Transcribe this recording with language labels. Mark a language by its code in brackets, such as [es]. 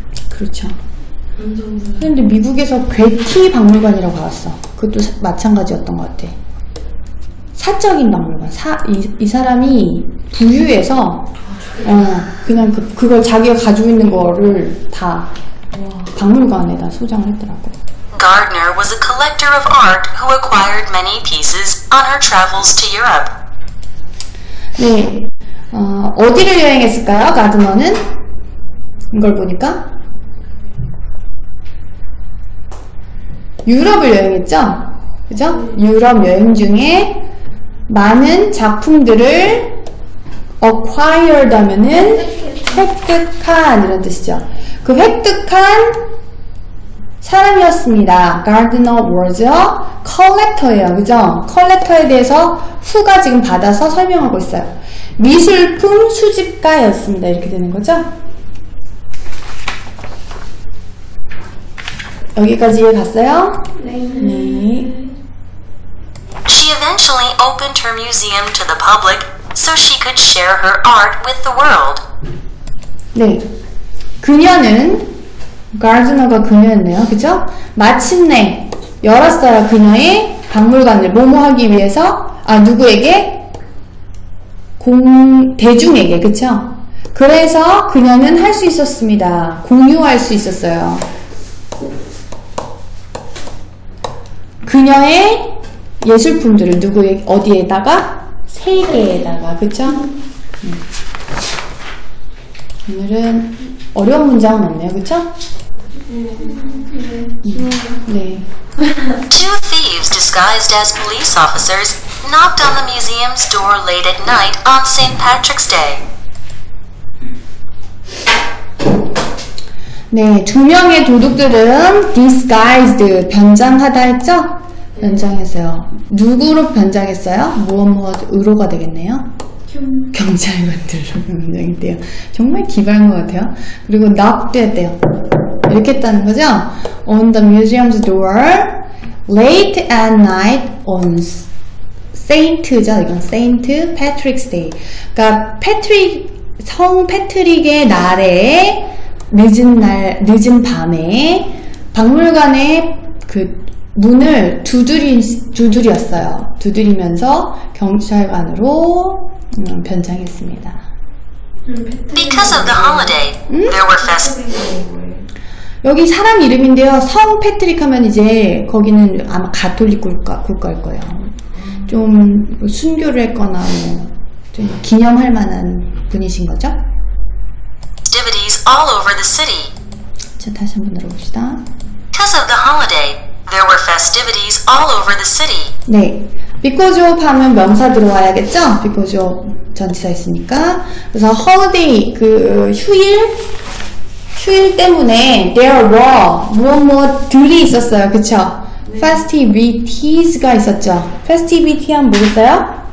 [ko] 그렇죠. 그런데 미국에서 괴티 박물관이라고 나왔어. 그것도 마찬가지였던 것 같아. 사적인 박물관. 이 사람이 부유해서 그냥 그걸 자기가 가지고 있는 거를 다 박물관에다 소장을 했더라고. [en] Gardner was a collector of art who acquired many pieces on her travels to Europe. [ko] 네, 어디를 여행했을까요, 가드너는? 이걸 보니까 유럽을 여행했죠, 그죠? 유럽 여행 중에 많은 작품들을 acquired 하면은 획득한이란 뜻이죠. 그 획득한 사람이었습니다. [en] Gardner was a collector예요, [ko] 그죠? Collector에 대해서 후가 지금 받아서 설명하고 있어요. 미술품 수집가였습니다. 이렇게 되는 거죠? 여기까지 이해 갔어요? 네. 네. [en] She eventually opened her museum to the public so she could share her art with the world. [ko] 네. 그녀는, 가드너가 그녀였네요, 그죠? 마침내 열었어요, 그녀의 박물관을. 뭐뭐 하기 위해서? 아, 누구에게? 대중에게, 그쵸? 그래서 그녀는 할 수 있었습니다. 공유할 수 있었어요. 그녀의 예술품들을 누구에게, 어디에다가? 세계에다가, 그쵸? 오늘은 어려운 문장 맞네요, 그쵸? 네. 네. [en] Two thieves disguised as police officers knocked on the museum's door late at night on St. Patrick's Day. [ko] 네, 두 명의 도둑들은 disguised, 변장하다 했죠? 변장했어요. 누구로 변장했어요? 무엇으로가 되겠네요? 경찰관들로 변장했대요. 정말 기발한 것 같아요. 그리고 knocked 했대요. 이렇게 했다는 거죠? [en] On the museum's door, late at night, on Saint죠? [ko] 이건 Saint Patrick's Day. 그러니까 성 패트릭의 날에 늦은 밤에 박물관의 그 문을 두드렸어요. 두드리면서 경찰관으로 변장했습니다. [en] Because of the holiday, there were festivities. [ko] 여기 사람 이름인데요. 성 패트릭 하면 이제 거기는 아마 가톨릭 국가일 거예요. 좀 순교를 했거나 뭐 좀 기념할 만한 분이신 거죠? [en] Activities all over the city. [ko] 자, 다시 한번 들어봅시다. [en] Because of the holiday, there were festivities all over the city. [ko] 네. [en] Because of [ko] 하면 명사 들어와야겠죠? Because of 전치사 있으니까. 그래서 holiday, 그 휴일 때문에 [en] there were [ko] 무엇들이 있었어요, 그쵸? 네. Festivities가 있었죠. Festivity 하면 뭐겠어요?